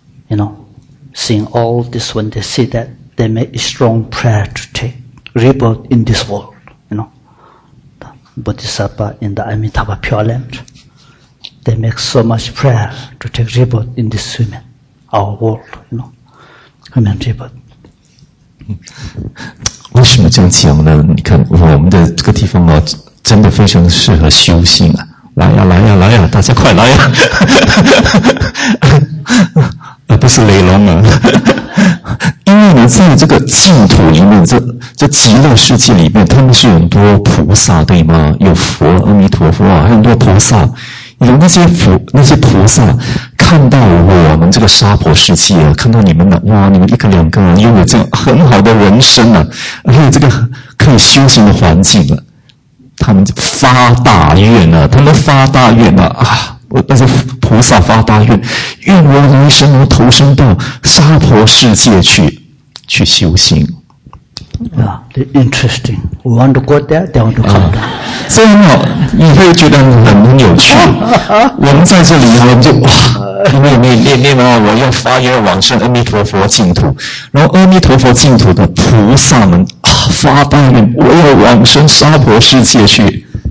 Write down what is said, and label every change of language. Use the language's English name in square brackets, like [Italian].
[English] You know, seeing all this, when they see that, they make a strong prayer to take rebirth in this world. You know, the Bodhisattva in the Amitabha Pure Land, they make so much prayer to take rebirth in this human, our world, you know, human rebirth. [Chinese] 为什么这样讲呢？你看我们的这个地方啊，真的非常适合修行啊！来呀，来呀，来呀，大家快来呀！不是雷龙啊，因为你在这个净土里面，这极乐世界里面，他们是很多菩萨，对吗？有佛，阿弥陀佛啊，还有很多菩萨。有那些菩萨看到我们这个娑婆世界，看到你们的，哇，你们一个两个拥有这样很好的人生啊，而且这个可以修行的环境啊，他们发大愿啊，他们发大愿啊啊！那些菩萨发大愿，愿我来生能投生到娑婆世界去修行。 [English] Yeah, interesting. We want to go there, they want to come down. [Chinese] 所以呢，你会觉得很有趣。我们在这里，我们就哇，念啊，我要发愿往生阿弥陀佛净土。然后阿弥陀佛净土的菩萨们啊，发大愿，我要往生娑婆世界去。